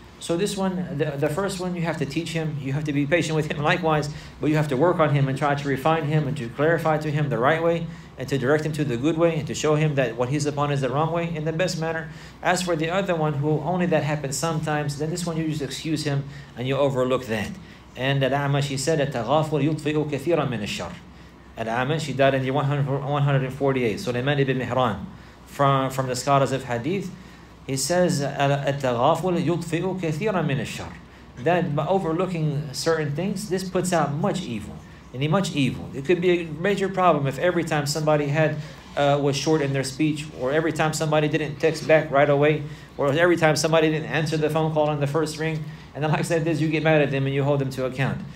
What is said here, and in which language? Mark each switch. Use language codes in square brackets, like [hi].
[en] So this one, the first one, you have to teach him, you have to be patient with him likewise, but you have to work on him and try to refine him and to clarify to him the right way and to direct him to the good way and to show him that what he's upon is the wrong way in the best manner. As for the other one, who only that happens sometimes, then this one you just excuse him and you overlook that. And Al-Amash, he said, [ar] التغافل يطفئ كثيرا من الشر. [en] Al-Amash, he died in the 148, Sulaiman ibn Mihran, from the scholars of Hadith. He says, [ar] التغافل يطفئ كثيرا من الشر. [en] That by overlooking certain things, this puts out much evil. Any much evil. It could be a major problem if every time somebody was short in their speech, or every time somebody didn't text back right away, or every time somebody didn't answer the phone call on the first ring, and then like I said, this, you get mad at them and you hold them to account.